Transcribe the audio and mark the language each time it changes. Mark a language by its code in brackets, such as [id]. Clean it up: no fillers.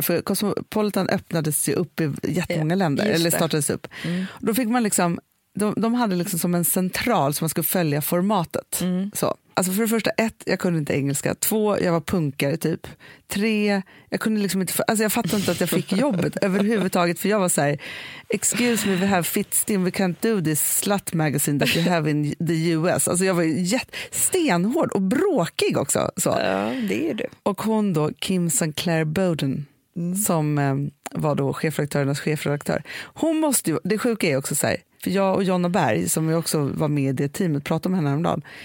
[sv] För Cosmopolitan öppnades ju upp i jättemånga länder. Eller startades upp. Mm. Då fick man liksom, de hade liksom som en central som man skulle följa formatet. Mm. Så. Alltså för det första, ett, jag kunde inte engelska. Två, jag var punkare typ. Tre, jag kunde liksom inte, alltså jag fattade inte att jag fick jobbet överhuvudtaget. För jag var så här: [en] excuse me, we have fitstim, we can't do this slut magazine that you have in the US. [sv] Alltså jag var stenhård och bråkig också. Så. Ja, det är du. Och hon då, Kim Sinclair Bowden, som var då chefredaktörernas chefredaktör. Hon måste ju, det sjuka är också så här, för jag och Jonna Berg, som jag också var med i det teamet, pratade med henne häromdagen.